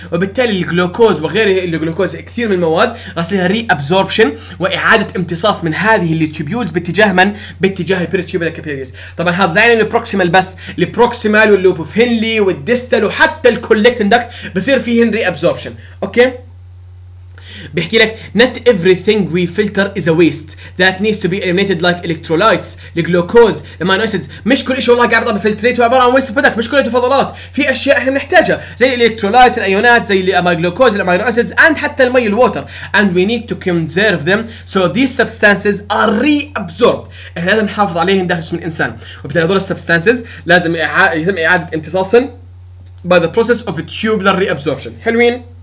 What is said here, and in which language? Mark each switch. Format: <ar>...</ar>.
<ar>وبالتالي الجلوكوز وغير الجلوكوز كثير من المواد راسلها ري ابزوربشن واعاده امتصاص من هذه التيوبولز باتجاه من؟ باتجاه البيريتيوبولار كابيلاريز. طبعا هذا يعني البروكسيمال بس البروكسيمال واللوب اوف هنلي والديستال وحتى الكولكتنج دكت بصير فيهن ري ابزوربشن. اوكي بيحكي لك</ar> <en>not everything we filter is a waste that needs to be eliminated like electrolytes الجلوكوز الامينو acids.</en> <ar>مش كل شيء والله قاعد بضل بفلتريت عباره عن ويست برودكت مش كلها فضلات. في اشياء احنا بنحتاجها زي الالكترولايت الايونات زي الجلوكوز الامينو اسيدز and حتى المي الووتر</ar> <en>and we need to conserve them so these substances are reabsorbed.</en> <ar>احنا لازم نحافظ عليهم داخل جسم الانسان وبالتالي هذول السبستانسز لازم يتم اعاده امتصاصهم</ar> <en>by the process of tubular reabsorption.</en> <ar>حلوين.</ar>